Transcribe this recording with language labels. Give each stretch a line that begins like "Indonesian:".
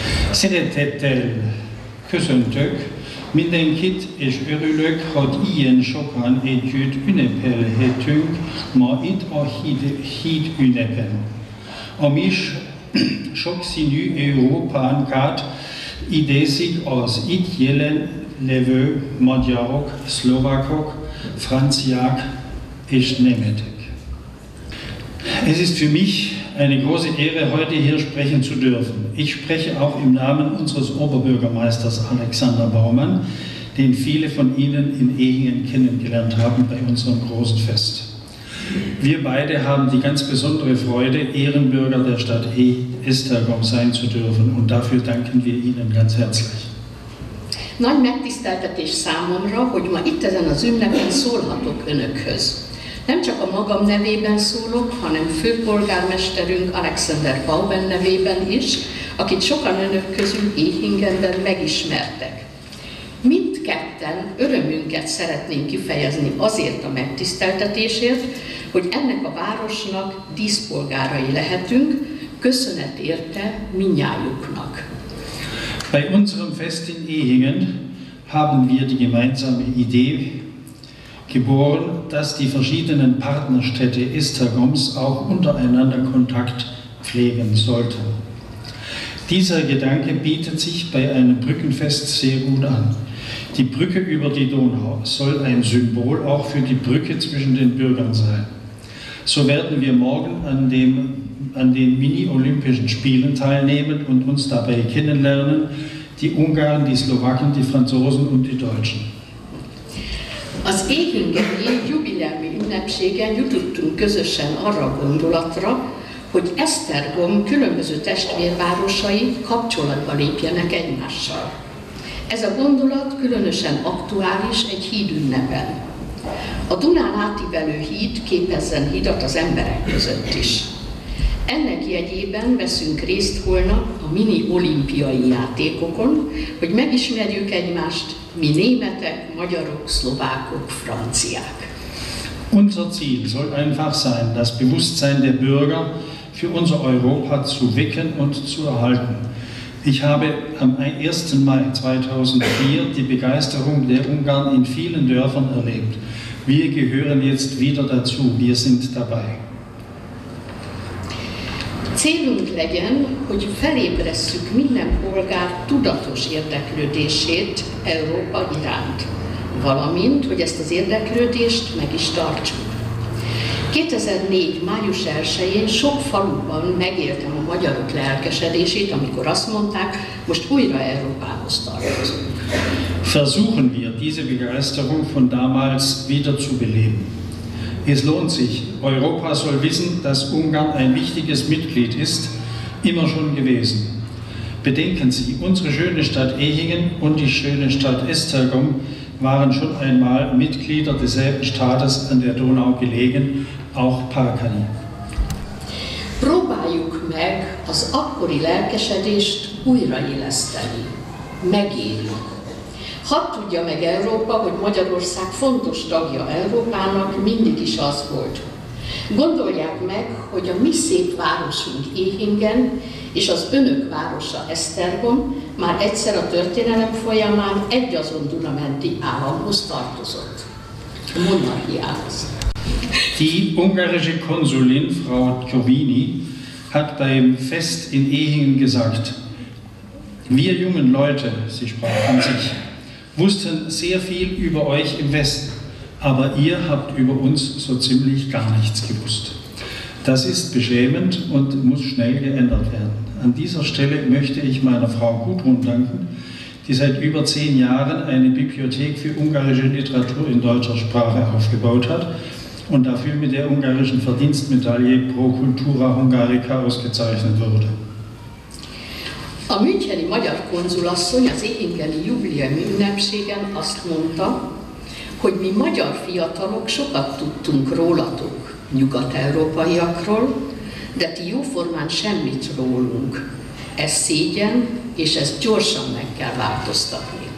Hungarian: Szeretettel köszöntök mindenkit, és örülök, hogy ilyen sokan együtt ünnepelhetünk ma itt a híd ünnepen. Ami is sokszínű Európánkat idézik az itt jelen levő magyarok, szlovákok, franciák és németek.
German: Es ist für mich eine große Ehre, heute hier sprechen zu dürfen. Ich spreche auch im Namen unseres Oberbürgermeisters Alexander Baumann, den viele von Ihnen in Ehingen kennengelernt haben bei unserem großen Fest. Wir beide haben die ganz besondere Freude, Ehrenbürger der Stadt Esztergom sein zu dürfen, und dafür danken wir Ihnen ganz herzlich.
Hungarian: Nagy megtiszteltetés számomra, hogy ma itt ezen az ünnepen szólhatok Önökhöz. Nem csak a magam nevében szólok, hanem főpolgármesterünk Alexander Bauben nevében is, akit sokan Önök közül Ehingenben megismertek. Mindketten örömünket szeretnénk kifejezni azért a megtiszteltetésért, hogy ennek a városnak díszpolgárai lehetünk, köszönet érte mindnyájuknak.
German: Bei unserem Fest in Ehingen haben wir die gemeinsame Idee geboren, dass die verschiedenen Partnerstädte Esztergoms auch untereinander Kontakt pflegen sollten. Dieser Gedanke bietet sich bei einem Brückenfest sehr gut an. Die Brücke über die Donau soll ein Symbol auch für die Brücke zwischen den Bürgern sein. So werden wir morgen an den Mini-Olympischen Spielen teilnehmen und uns dabei kennenlernen, die Ungarn, die Slowaken, die Franzosen und die Deutschen.
Hungarian: Az Ehingeni jubileumi ünnepségen jutottunk közösen arra a gondolatra, hogy Esztergom különböző testvérvárosai kapcsolatba lépjenek egymással. Ez a gondolat különösen aktuális egy hídünnepen. A Dunán átívelő híd képezzen hidat az emberek között is. Ennek jegyében veszünk részt holnap a mini olimpiai játékokon, hogy megismerjük egymást, mi németek, magyarok, szlovákok, franciák.
German: Unser Ziel soll einfach sein, das Bewusstsein der Bürger für unser Europa zu wecken und zu erhalten. Ich habe am 1. Mai 2004 die Begeisterung der Ungarn in vielen Dörfern erlebt. Wir gehören jetzt wieder dazu, wir sind dabei.
Hungarian: Célunk legyen, hogy felébresszük minden polgár tudatos érdeklődését Európa iránt, valamint, hogy ezt az érdeklődést meg is tartsuk. 2004. május 1-én sok faluban megéltem a magyarok lelkesedését, amikor azt mondták, most újra Európához tartozunk.
German: Versuchen wir, diese Begeisterung von damals wieder zu beleben. Es lohnt sich. Europa soll wissen, dass Ungarn ein wichtiges Mitglied ist, immer schon gewesen. Bedenken Sie, unsere schöne Stadt Ehingen und die schöne Stadt Esztergom waren schon einmal Mitglieder desselben Staates an der Donau gelegen, auch Parkani.
Hungarian: Próbáljuk meg az akkori lelkesedést újraéleszteni. Megéri. Hadd tudja meg Európa, hogy Magyarország fontos tagja Európának, mindig is az volt. Gondolják meg, hogy a mi szép városunk Ehingen és az Önök városa Esztergom már egyszer a történelem folyamán egy azon Dunamenti államhoz tartozott. Monarchiához.
German: Die ungarische Konsulin Frau Kovini hat beim Fest in Ehingen gesagt, wir jungen Leute, sie sprach an sich, wussten sehr viel über euch im Westen, aber ihr habt über uns so ziemlich gar nichts gewusst. Das ist beschämend und muss schnell geändert werden. An dieser Stelle möchte ich meiner Frau Gudrun danken, die seit über 10 Jahren eine Bibliothek für ungarische Literatur in deutscher Sprache aufgebaut hat und dafür mit der ungarischen Verdienstmedaille Pro Cultura Hungarica ausgezeichnet wurde.
Hungarian: A müncheni magyar konzulasszony az ehingeni jubileumi ünnepségen azt mondta, hogy mi magyar fiatalok sokat tudtunk rólatok, nyugat-európaiakról, de ti jóformán semmit rólunk. Ez szégyen, és ezt gyorsan meg kell változtatni.